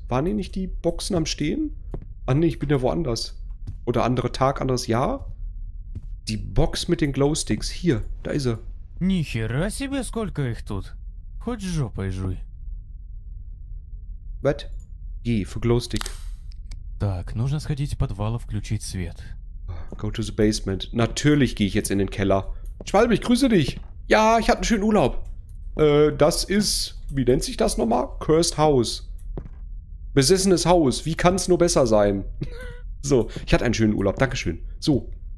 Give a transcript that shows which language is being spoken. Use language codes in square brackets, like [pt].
[de] Waren hier nicht die Boxen am Stehen? Ah ne, ich bin ja woanders. Oder andere Tag, anderes Jahr? Die Box mit den Glow Sticks. Hier, da ist sie. [ru] Nichera себе, сколько их тут. Хоть жопой жуй. [en] What? [de] G für Glow Stick. [ru] Так, нужно сходить в подвал и включить свет. [en] Go to the basement. [de] Natürlich gehe ich jetzt in den Keller. Schwalbe, ich grüße dich. Ja, ich hatte einen schönen Urlaub. Das ist, wie nennt sich das nochmal? Cursed House. Besessenes Haus. Wie kann es nur besser sein? So, ich hatte einen schönen Urlaub. Dankeschön. So.